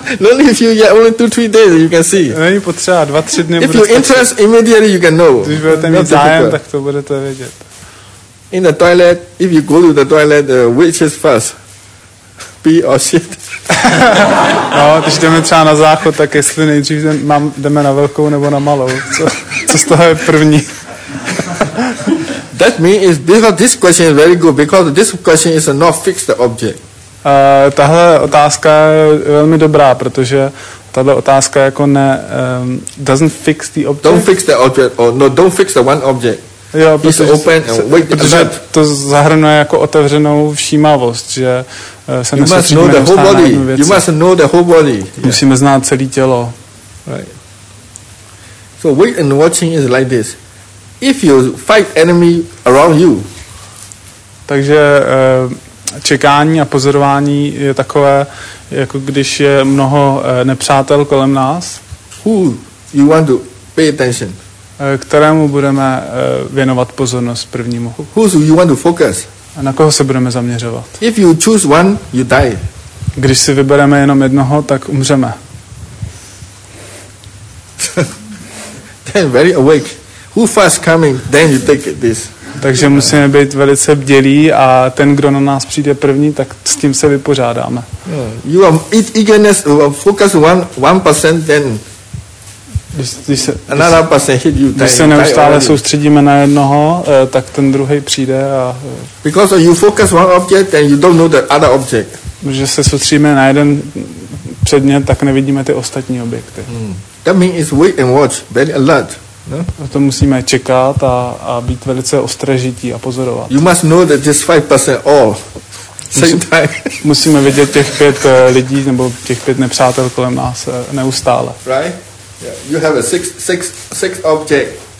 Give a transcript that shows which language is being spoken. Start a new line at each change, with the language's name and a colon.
English: Only if you get only 2-3 days, you can see.
Czech: Není potřeba, 2-3 dny.
English: If you interest immediately, you can know.
Czech: Když budete mít zájem, tak to budete vědět.
English: In the toilet, if you go to the toilet, which is first? Pee or shit?
Czech: No, když jdeme třeba na záchod, tak jestli nejdřív jdeme na velkou nebo na malou. Co z toho je první?
English: That means this question is very good, because this question is a not fixed object.
Czech: Tahle otázka je velmi dobrá, protože tahle otázka jako ne
English: doesn't fix the object. Don't fix the object or no, don't fix the one object.
Czech: Jo, protože,
English: open and wait,
Czech: protože to zahrnuje jako otevřenou všímavost, že se
English: you must know the whole body. You must know the whole body.
Czech: Musíme znát celé tělo.
English: Right. So wait and watching is like this. If you fight enemy around you.
Czech: Takže čekání a pozorování je takové, jako když je mnoho nepřátel kolem nás.
English: Who you want to pay attention?
Czech: Kterému budeme věnovat pozornost prvnímu?
English: Who you want to focus?
Czech: A na koho se budeme zaměřovat?
English: If you choose one, you die.
Czech: Když si vybereme jenom jednoho, tak umřeme.
English: Then very awake. Who first coming? Then you take this.
Czech: Takže musíme být velice bdělí a ten, kdo na nás přijde první, tak s tím se vypořádáme.
English: You are eagerness, focus 1%, then another person hit you.
Czech: Když se neustále soustředíme na jednoho, tak ten druhý přijde a
English: because you focus one object, then you don't know the other object.
Czech: Že se soustředíme na jeden předmět, tak nevidíme ty ostatní objekty.
English: That means it's wait and watch, very alert.
Czech: No? To musíme čekat a být velice ostražití a pozorovat.
English: You must know that just 5% all. Same time.
Czech: Musíme vidět těch pět lidí nebo těch pět nepřátel kolem nás neustále.
English: Right? Yeah. You have a six object.